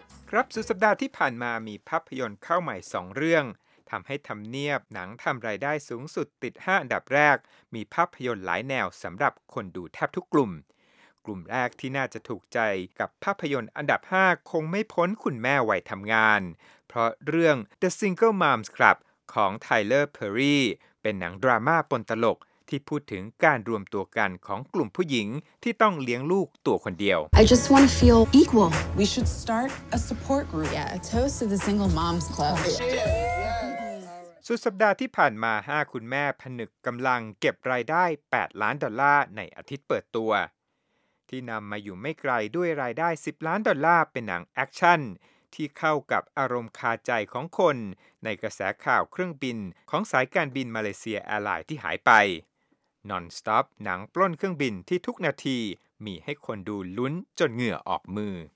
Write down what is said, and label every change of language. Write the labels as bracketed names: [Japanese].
[Thai] ครับสุดสัปดาห์ที่ผ่านมามีภาพยนตร์เข้าใหม่2เรื่องทำให้ทำเนียบหนังทำรายได้สูงสุดติด5อันดับแรกมีภาพยนตร์หลายแนวสำหรับคนดูแทบทุกกลุ่มกลุ่มแรกที่น่าจะถูกใจกับภาพยนตร์อันดับ5คงไม่พ้นคุณแม่วัยทำงานเพราะเรื่อง The Single Moms Club ของ Tyler Perry เป็นหนังดราม่าปนตลกที่พูดถึงการรวมตัวกันของกลุ่มผู้หญิงที่ต้องเลี้ยงลูกตัวคนเดียว [English] I just want to feel equal. We should start a support group. Yeah, a toast to the Single Moms Club. Yeah. [Thai] สุดสัปดาห์ที่ผ่านมา5คุณแม่ผนึกกำลังเก็บรายได้8ล้านดอลลาร์ในอาทิตย์เปิดตัวที่นำมาอยู่ไม่ไกลด้วยรายได้10ล้านดอลลาร์เป็นหนังแอคชั่นที่เข้ากับอารมณ์คาใจของคนในกระแสข่าวเครื่องบินของสายการบินมาเลเซียแอร์ไลน์ที่หายไปNon-stop หนังปล้นเครื่องบินที่ทุกนาทีมีให้คนดูลุ้นจนเหงื่อออกมือ